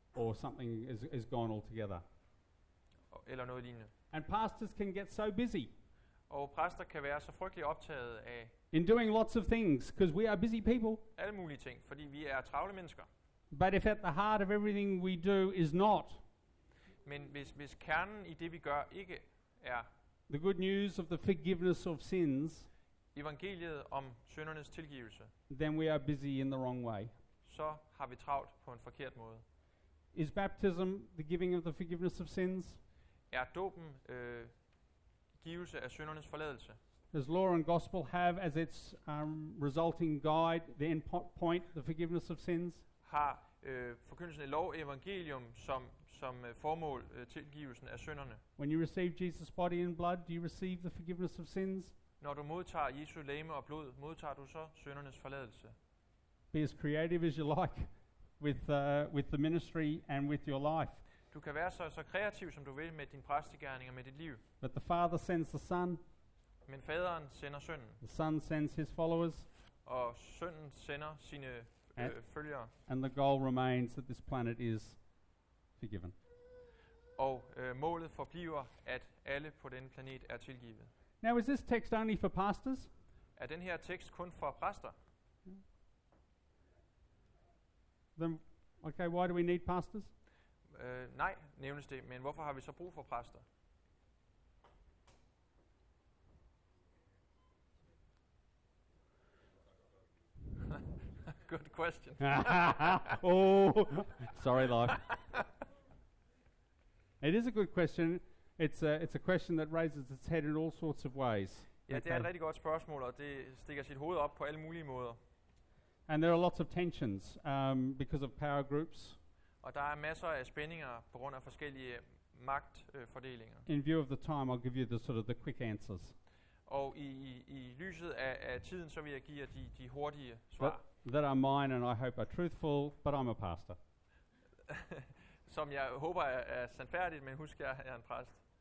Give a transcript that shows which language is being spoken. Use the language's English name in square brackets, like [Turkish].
[English] Or something is gone altogether. [Danish] Eller noget lignende. [English] And pastors can get so busy. [Danish] Og præster kan være så frygtelig optaget af [English] in doing lots of things because we are busy people. [Danish] Alle mulige ting, fordi vi er travle mennesker. [English] But if at the heart of everything we do is not. [Danish] Men hvis kernen i det vi gør ikke er [English] the good news of the forgiveness of sins. [Danish] Evangeliet om syndernes tilgivelse. [English] Then we are busy in the wrong way. [Danish] Så har vi travlt på en forkert måde. [English] Is baptism the giving of the forgiveness of sins? [Danish] Er dåben givelse af syndernes forladelse? [English] Does law and gospel have as its resulting guide the end point, the forgiveness of sins? [Danish] Har forkyndelsen af lov evangelium som formål tilgivelsen af synderne? [English] When you receive Jesus' body and blood, do you receive the forgiveness of sins? [Danish] Når du modtager Jesu legeme og blod, modtager du så syndernes forladelse? [English] Be as creative as you like with the ministry and with your life. [Danish] Du kan være så kreativ som du vil med din præstegerning og med dit liv. [English] But the Father sends the Son. [Danish] Men faderen sender sønnen. [English] The Son sends his followers. [Danish] Og sønnen sender sine følgere. [English] And the goal remains that this planet is forgiven. [Danish] Og målet forbliver at alle på denne planet er tilgivet. [English] Now is this text only for pastors? [Danish] Er den her tekst kun for præster? [English] Then, okay, why do we need pastors? [Danish] Nej, nævnes det, men hvorfor har vi så brug for præster? [English] Good question. Oh, sorry, Life. It is a good question. It's a question that raises its head in all sorts of ways. [Danish] Ja, det er et rigtig godt spørgsmål, og det stikker sit hoved op på alle mulige måder. [English] And there are lots of tensions because of power groups. [Danish] Og der er masser af spændinger på grund af forskellige magtfordelinger. [English] In view of the time, I'll give you the sort of the quick answers. [Danish] Og i lyset af tiden, så vil jeg give jer de hurtige svar. [English] That are mine and I hope are truthful, but I'm a pastor. [Danish] Som jeg håber er sandfærdigt, men husk jeg er en præst.